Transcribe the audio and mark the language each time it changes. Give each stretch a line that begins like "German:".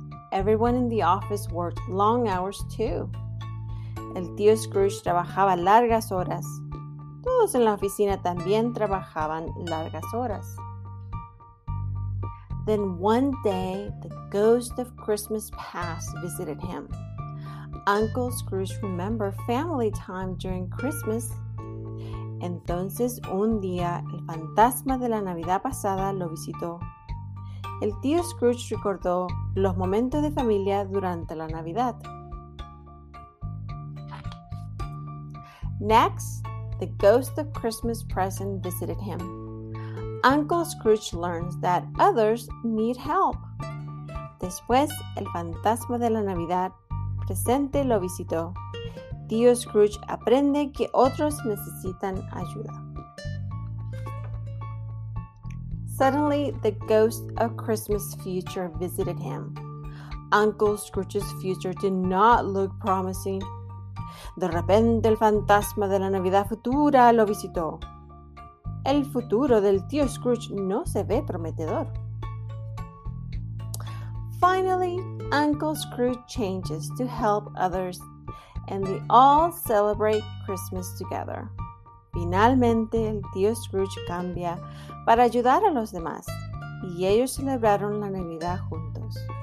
English: Everyone in the office worked long hours too.
Spanish: El tío Scrooge trabajaba largas horas. Todos en la oficina también trabajaban largas horas.
English: Then one day, the ghost of Christmas past visited him. Uncle Scrooge remembered family time during Christmas.
Spanish: Entonces, un día, el fantasma de la Navidad pasada lo visitó. El tío Scrooge recordó los momentos de familia durante la Navidad.
English: Next, the ghost of Christmas present visited him. Uncle Scrooge learns that others need help.
Spanish: Después, el fantasma de la Navidad presente lo visitó. Tío Scrooge aprende que otros necesitan ayuda.
English: Suddenly, the ghost of Christmas future visited him. Uncle Scrooge's future did not look promising.
Spanish: De repente, el fantasma de la Navidad futura lo visitó. El futuro del tío Scrooge no se ve prometedor.
English: Finally, Uncle Scrooge changes to help others, and they all celebrate Christmas together.
Spanish: Finalmente, el tío Scrooge cambia para ayudar a los demás, y ellos celebraron la Navidad juntos.